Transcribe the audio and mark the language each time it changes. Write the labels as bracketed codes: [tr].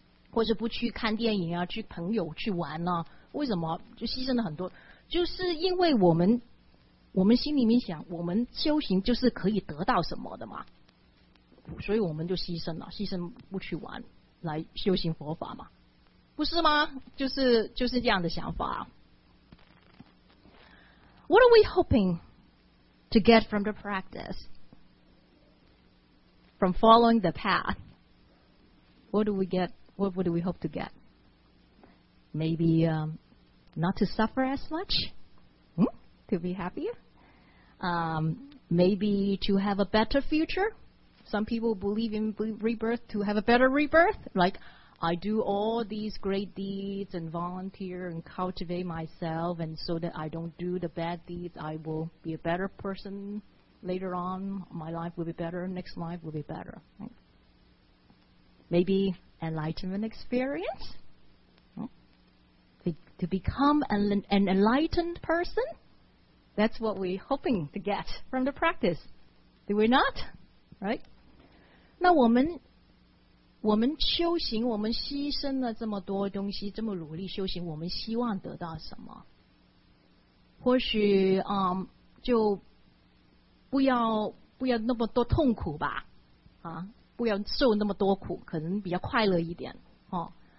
[zh] 或者不去看电影啊，去朋友去玩呢、啊？为什么就牺牲了很多？就是因为我们心里面想，我们修行就是可以得到什么的嘛，所以我们就牺牲了，牺牲不去玩来修行佛法嘛，不是吗？就是这样的想法。 [en] What are we hoping to get from the practice? From following the path? What do we get? What do we hope to get? Maybe not to suffer as much? To be happier? Maybe to have a better future? Some people believe in rebirth, to have a better rebirth. Like, I do all these great deeds and volunteer and cultivate myself, and so that I don't do the bad deeds, I will be a better person later on. My life will be better. Next life will be better. Maybe enlightenment experience? To become an enlightened person? That's what we're hoping to get from the practice. Do we not? Right? [zh] 那我们修行，我们牺牲了这么多东西，这么努力修行，我们希望得到什么？或许就不要那么多痛苦吧，啊，不要受那么多苦，可能比较快乐一点哦。